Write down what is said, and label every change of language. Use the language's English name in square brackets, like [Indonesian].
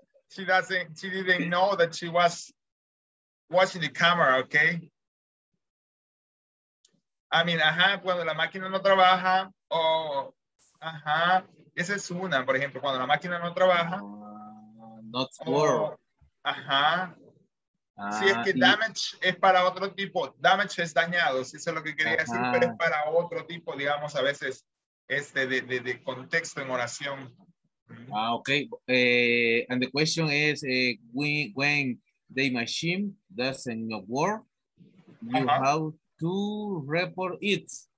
[English] she didn't know that she was watching the camera, okay? I mean, [Spanish] ajá, cuando la máquina no trabaja, o, oh, ajá, esa es una, por ejemplo, cuando la máquina no trabaja. [English] Not for. Oh, ajá. [Spanish] Si es que damage es para otro tipo, damage es dañado, si eso es lo que quería decir, pero es para otro tipo, digamos, a veces, de contexto en oración. Ah, ok. [English] And the question is, when the machine doesn't work, you have to report it.